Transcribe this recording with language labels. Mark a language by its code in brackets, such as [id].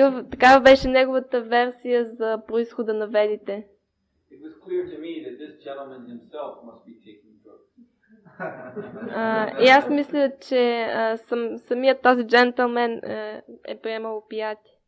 [bg] Такава беше неговата версия за произхода на ведите. [en] It was clear to me that this gentleman himself must be taking drugs. [bg] И аз мисля, че самият този джентълмен е приемал опиати.